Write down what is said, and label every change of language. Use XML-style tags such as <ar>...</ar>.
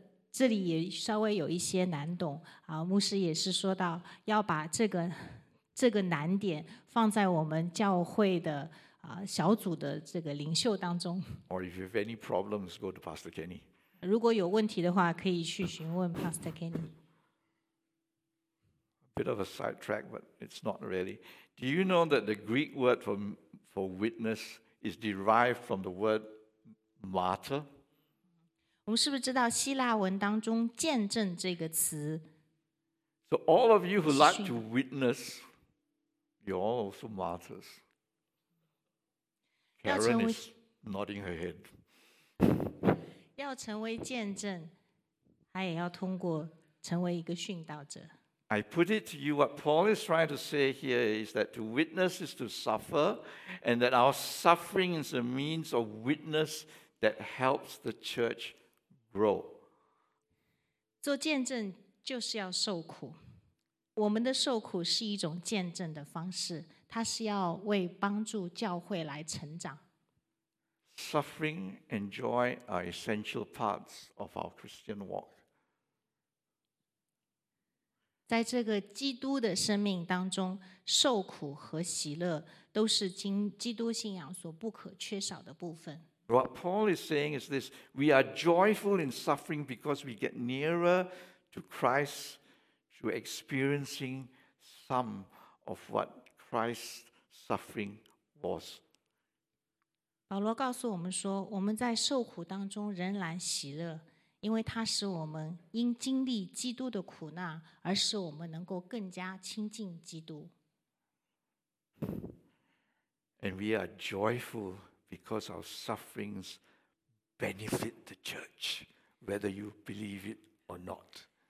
<zh>这里也稍微有一些难懂。牧师也是说到要把这个难点放在我们教会的小组的这个领袖当中。</zh> <en>Or if you have any problems, go to Pastor Kenny.</en> <zh>如果有问题的话，可以去询问 Pastor Kenny.</zh> <en>A bit of a sidetrack, but it's not really. Do you know that the Greek word for witness is derived from the word martyr.</en> <zh>我们是不是知道希腊文当中见证这个词？</zh> <en>So all of you who like to witness, you're all also martyrs. Karen is nodding her head.</en> <zh>要成为见证，他也要通过成为一个殉道者。</zh> <en>I put it to you, what Paul is trying to say here is that to witness is to suffer, and that our suffering is a means of witness that helps the church grow.</en> <zh>做见证就是要受苦，我们的受苦是一种见证的方式，它是要为帮助教会来成长。</zh> <en>Suffering and joy are essential parts of our Christian walk.</en> <zh>在这个基督的生命当中，受苦和喜乐都是基督信仰所不可缺少的部分。</zh> <en>What Paul is saying is this: we are joyful in suffering because we get nearer to Christ through experiencing some of what Christ's suffering was.</en> <zh>保罗告诉我们说，我们在受苦当中仍然喜乐。因为它使我们因经历基督的苦难，而使我们能够更加亲近基督。</zh> <en>And we are joyful because our sufferings benefit the church, whether you believe it or not.</en>